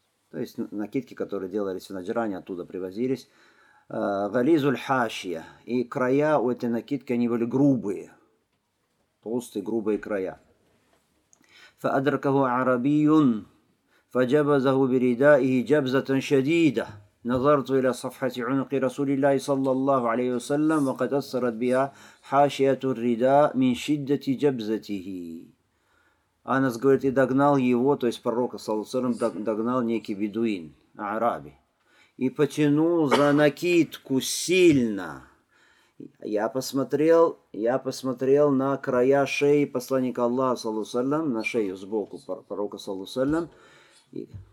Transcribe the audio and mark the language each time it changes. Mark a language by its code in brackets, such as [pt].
[ru] То есть накидки, которые делались в наджране, оттуда привозились. [ar] Гализуль хашия. [ru] И края у этой накидки, они были грубые. Толстые, грубые края. [ar] Фа адракаху арабиюн, фа джабазаху бирида и джабзатан шадида. نظرت إلى صفحة عنق رسول الله صلى الله عليه وسلم وقد أثرت بها حاشية الرداء من شدة جبزته. [ru] Анас говорит, и догнал его, то есть пророка, саллаллаху алейхи ва саллям, догнал некий бедуин, араби, и потянул за накидку сильно. Я посмотрел на края шеи посланника Аллаха, саллаллаху алейхи ва саллям, на шею сбоку пророка, саллаллаху алейхи ва саллям, и...